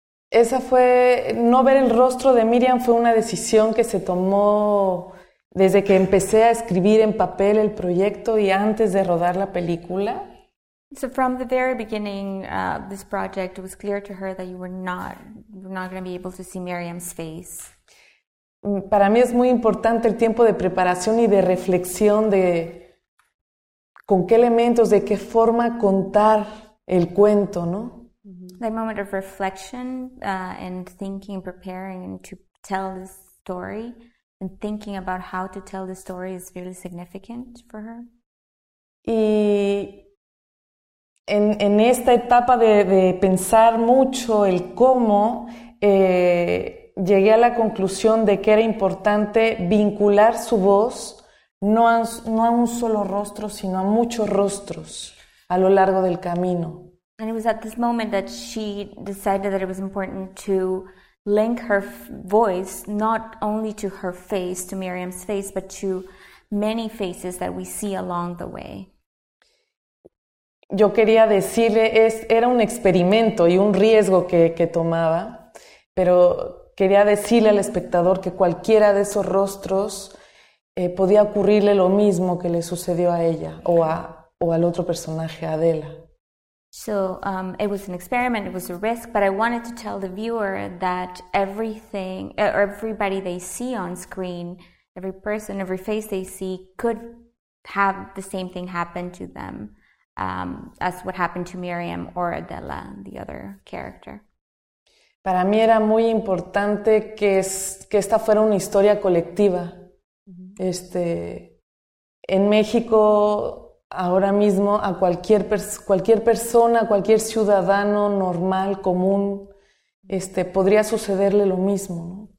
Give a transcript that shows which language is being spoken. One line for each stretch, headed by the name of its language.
Spanish: Esa fue, no ver el rostro de Miriam fue una decisión que se tomó desde que empecé a escribir en papel el proyecto y antes de rodar la película.
English: So from the very beginning of this project, it was clear to her that you were not going to be able to see Miriam's face.
Spanish: Para mí es muy importante el tiempo de preparación y de reflexión de con qué elementos, de qué forma contar el cuento, ¿no?
English: That moment of reflection and thinking, preparing to tell this story, and thinking about how to tell the story is really significant for her.
Spanish: Y en esta etapa de pensar mucho el cómo, llegué a la conclusión de que era importante vincular su voz no a un solo rostro, sino a muchos rostros a lo largo del camino.
English: And it was at this moment that she decided that it was important to link her voice not only to her face, to Miriam's face, but to many faces that we see along the way.
Spanish: Yo quería decirle, era un experimento y un riesgo que tomaba, pero quería decirle al espectador que cualquiera de esos rostros podía ocurrirle lo mismo que le sucedió a ella o al otro personaje, Adela.
English: So it was an experiment, it was a risk, but I wanted to tell the viewer that everything, or everybody they see on screen, every person, every face they see, could have the same thing happen to them as what happened to Miriam or Adela, the other character.
Spanish: Para mí era muy importante que esta fuera una historia colectiva. Mm-hmm. En México, ahora mismo, a cualquier persona, cualquier ciudadano normal, común, podría sucederle lo mismo, ¿no?